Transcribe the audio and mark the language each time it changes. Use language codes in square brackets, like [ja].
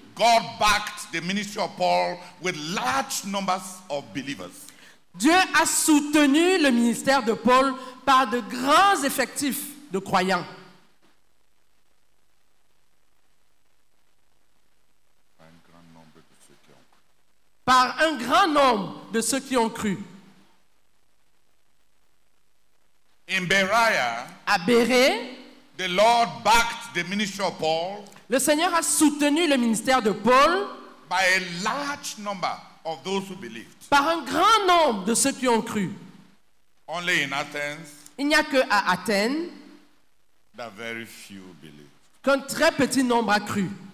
[en] God backed the ministry of Paul with large numbers of believers. [fr] Dieu a soutenu le ministère de Paul par de grands effectifs de croyants. Par un grand nombre de ceux qui ont cru. [en] In Beria, [fr] à Bérée, [en] the Lord backed the ministry of Paul. [fr] Le Seigneur a soutenu le ministère de Paul [en] by a large number of those who believed. [fr] Par un grand nombre de ceux qui ont cru. [en] Only in Athens, [fr] il n'y a que à Athènes [en] that very few believed. [fr] Qu'un très petit nombre a cru.